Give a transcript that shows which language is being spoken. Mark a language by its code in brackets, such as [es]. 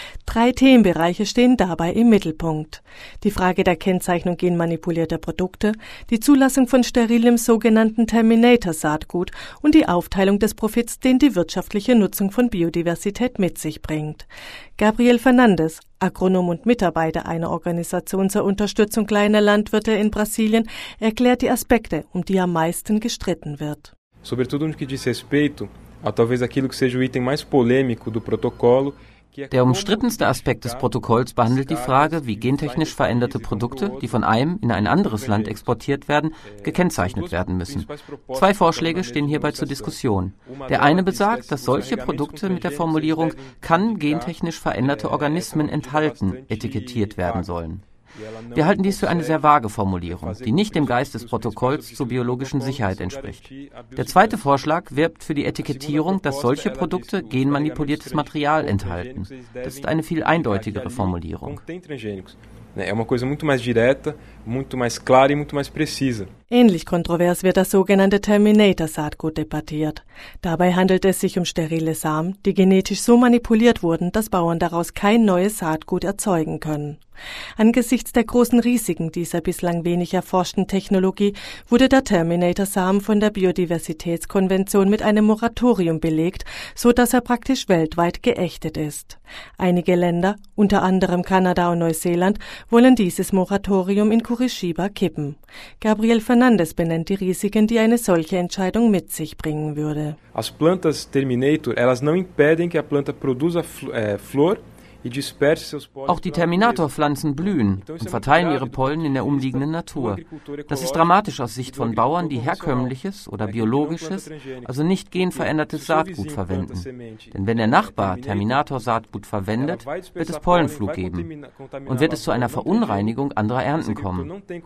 [de] 3 Themenbereiche stehen dabei im Mittelpunkt. Die Frage der Kennzeichnung genmanipulierter Produkte, die Zulassung von sterilem sogenannten Terminator-Saatgut und die Aufteilung des Profits, den die wirtschaftliche Nutzung von Biodiversität mit sich bringt. Gabriel Fernandes, Agronom und Mitarbeiter einer Organisation zur Unterstützung kleiner Landwirte in Brasilien, erklärt die Aspekte, um die am meisten gestritten wird. [pt] Sobretudo no que diz respeito a talvez aquilo que seja o item mais polêmico do protocolo. [de] Der umstrittenste Aspekt des Protokolls behandelt die Frage, wie gentechnisch veränderte Produkte, die von einem in ein anderes Land exportiert werden, gekennzeichnet werden müssen. 2 Vorschläge stehen hierbei zur Diskussion. Der eine besagt, dass solche Produkte mit der Formulierung »kann gentechnisch veränderte Organismen enthalten« etikettiert werden sollen. Wir halten dies für eine sehr vage Formulierung, die nicht dem Geist des Protokolls zur biologischen Sicherheit entspricht. Der 2. Vorschlag wirbt für die Etikettierung, dass solche Produkte genmanipuliertes Material enthalten. Das ist eine viel eindeutigere Formulierung. [pt] É uma coisa muito mais direta, muito mais clara e muito mais precisa. [de] Ähnlich kontrovers wird das sogenannte Terminator-Saatgut debattiert. Dabei handelt es sich um sterile Samen, die genetisch so manipuliert wurden, dass Bauern daraus kein neues Saatgut erzeugen können. Angesichts der großen Risiken dieser bislang wenig erforschten Technologie wurde der Terminator-Samen von der Biodiversitätskonvention mit einem Moratorium belegt, so dass er praktisch weltweit geächtet ist. Einige Länder, unter anderem Kanada und Neuseeland, wollen dieses Moratorium in Curitiba kippen. Gabriel Fernandes benennt die Risiken, die eine solche Entscheidung mit sich bringen würde. [pt] As plantas Terminator, elas não impedem que a planta produza flor. [de] Auch die Terminatorpflanzen blühen und verteilen ihre Pollen in der umliegenden Natur. Das ist dramatisch aus Sicht von Bauern, die herkömmliches oder biologisches, also nicht genverändertes Saatgut verwenden. Denn wenn der Nachbar Terminator-Saatgut verwendet, wird es Pollenflug geben und wird es zu einer Verunreinigung anderer Ernten kommen.